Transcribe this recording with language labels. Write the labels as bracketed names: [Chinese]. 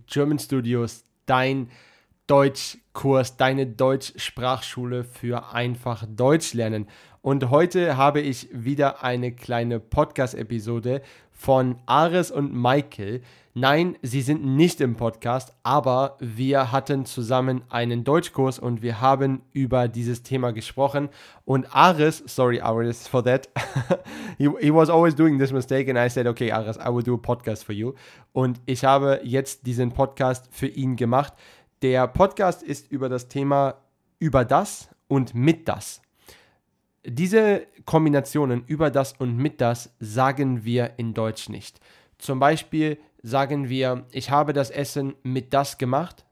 [German] German Studios, dein Deutschkurs, deine Deutschsprachschule für einfach Deutsch lernen. Und heute habe ich wieder eine kleine Podcast-Episode von Ares und Michael. Nein, sie sind nicht im Podcast, aber wir hatten zusammen einen Deutschkurs und wir haben über dieses Thema gesprochen. [English] Und Ares, sorry Ares for that, he was always doing this mistake and I said, okay Ares, I will do a podcast for you. [German] Und ich habe jetzt diesen Podcast für ihn gemacht. Der Podcast ist über das Thema über das und mit das. Diese Kombinationen über das und mit das sagen wir in Deutsch nicht. Zum Beispiel sagen wir, ich habe das Essen mit das gemacht.